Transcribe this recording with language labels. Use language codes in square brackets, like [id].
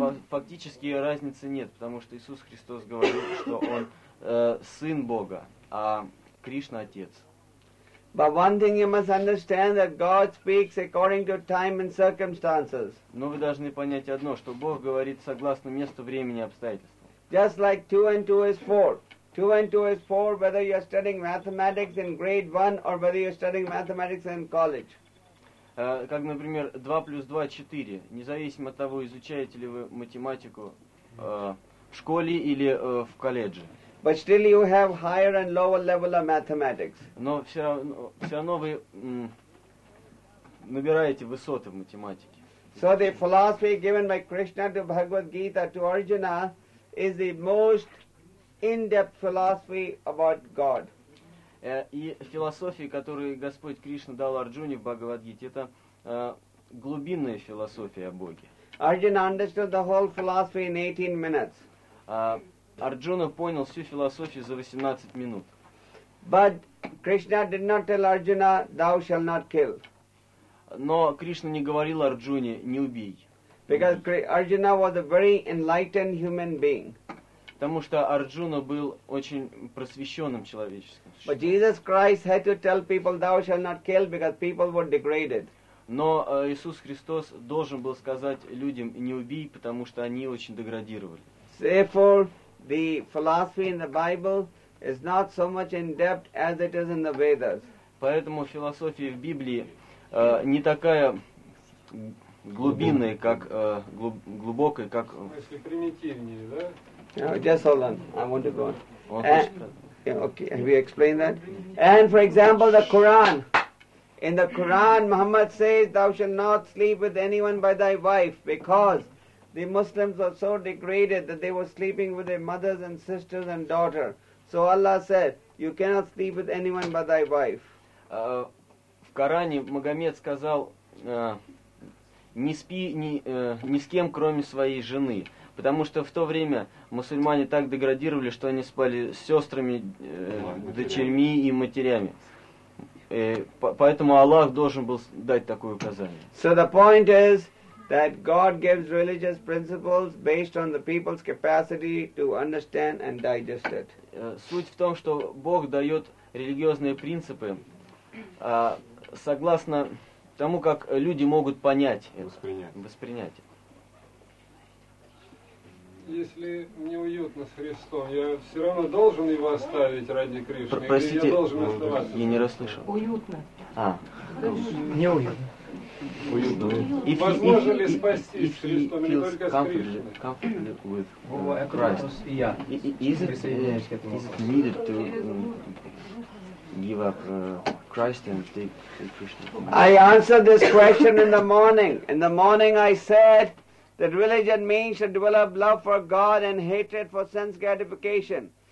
[ru] Фактически разницы нет, потому что Иисус Христос говорил, что он сын Бога, а Кришна отец. [en] But one thing you must understand that God speaks according to time and circumstances. [ru] Но вы должны понять одно, что Бог говорит согласно месту, времени, обстоятельствам. [en] Just like 2 and 2 is 4. 2 and 2 is 4, whether you are studying mathematics in grade 1 or whether you are studying mathematics in college. [ru] Как, например, 2 + 2 = 4. Независимо от того, изучаете ли вы математику в школе или в колледже. [en] But still you have higher and lower level of mathematics. [ru] Но всё равно вы набираете высоты в математике. [en] So the philosophy given by Krishna to Bhagavad Gita to Arjuna is the most in-depth philosophy about God. [ru] И философия, которую Господь Кришна дал Арджуне в Бхагавад-гите, это глубинная философия о Боге. [en] Arjuna understood the whole philosophy in 18 minutes. [ru] Арджуна понял всю философию за 18 минут. [en] But Krishna did not tell Arjuna, "Thou shall not kill." [ru] Но Кришна не говорил Арджуне, не убей. [en] Because Arjuna was a very enlightened human being. [ru] Потому что Арджуна был очень просвещенным человеческим. [en] But Jesus Christ had to tell people, "Thou shall not kill," because people were degraded. [ru] Но Иисус Христос должен был сказать людям, не убей, потому что они очень деградировали. [en] Therefore, the philosophy in the Bible is not so much in depth as it is in the Vedas. [ru] Поэтому философия в Библии не такая глубинная, как глубокая, как. Если примитивнее, да? [en] Just hold on. I want to go on. Okay. We explain that. And for example, the Quran. In the Quran, Muhammad says, "Thou shalt not sleep with anyone by thy wife," because the Muslims were so degraded that they were sleeping with their mothers and sisters and daughter. So Allah said, "You cannot sleep with anyone but thy wife." [ru] В Коране Магомед сказал, не спи ни с кем, кроме своей жены. потому что в то время мусульмане так деградировали, что они спали с сестрами, дочерьми и матерями. Поэтому Аллах должен был дать такое указание. [en] So the point is that God gives religious principles based on the people's capacity to understand and digest it. [ru] Суть в том, что Бог дает религиозные принципы согласно тому, как люди могут понять это, воспринять. Если неуютно с Христом, я все равно должен его оставить ради Кришны? Простите, или я должен оставаться? Я не расслышал. Уютно. А. Неуютно. Уютно. Возможно ли спастись с Христом, или только с Кришной? [en] Comfortable with Christ. Is it needed to give up Christ and take Krishna? I answered this question in the morning. In the morning I said, that religion means to develop love for God and hatred for sense gratification.